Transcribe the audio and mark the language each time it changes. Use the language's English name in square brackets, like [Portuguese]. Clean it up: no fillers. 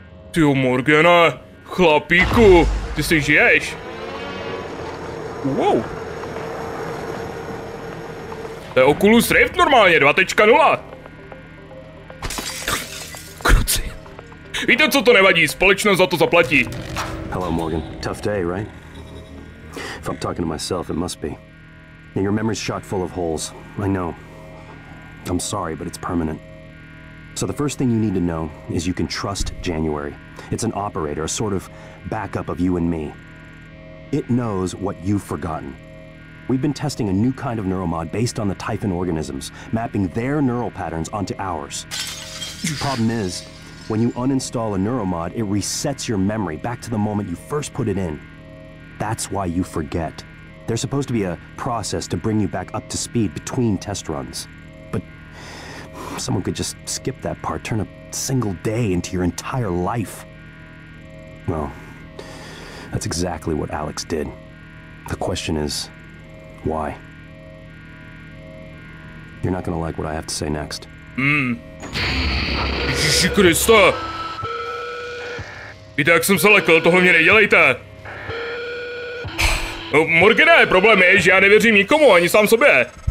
[Czech] Tyjo, Morgane, chlapíku, ty si žiješ. Wow. To je Oculus Rift normálně, 2.0. Kruci. Víte, co to nevadí, společnost za to zaplatí. [English] Hello, Morgan. Tough day, right? If I'm talking to myself, it must be. And your memory's shot full of holes. I know. I'm sorry, but it's permanent. So the first thing you need to know is you can trust January. It's an operator, a sort of backup of you and me. It knows what you've forgotten. We've been testing a new kind of neuromod based on the Typhon organisms, mapping their neural patterns onto ours. The problem is, when you uninstall a neuromod, it resets your memory back to the moment you first put it in. That's why you forget. There's supposed to be a process to bring you back up to speed between test runs. But someone could just skip that part, turn a single day into your entire life. Well, that's exactly what Alex did. The question is, why? You're not gonna like what I have to say next. [Czech] Ježiši Kriste! Víte, jak jsem se lekl, tohle mě nedělejte! No, Morgane, problém je, že já nevěřím nikomu, ani sám sobě.